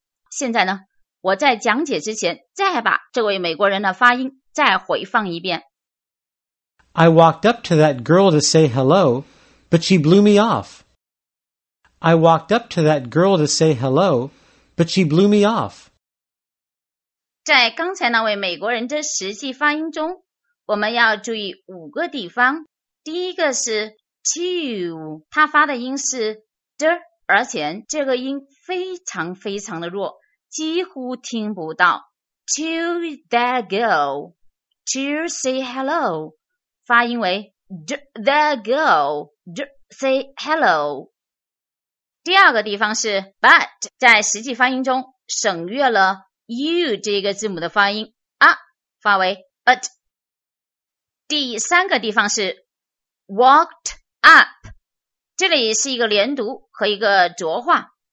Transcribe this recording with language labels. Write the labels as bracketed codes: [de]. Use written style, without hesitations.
[zh] 现在呢，我在讲解之前再把这位美国人的发音再回放一遍。 [en] I walked up to that girl to say hello, but she blew me off. I walked up to that girl to say hello, but she blew me off. [zh] 在刚才那位美国人的实际发音中，我们要注意五个地方。第一个是 to， 他发的音是 d， 而且这个音非常非常的弱，几乎听不到。 [en] To that girl to say hello， [zh] 发音为 [en] d that girl d say hello。 [zh] 第二个地方是 but， 在实际发音中省略了 u 这个字母的发音，啊，发为 but。第三个地方是。 [en] Walked up， [zh] 这里是一个连读和一个浊化。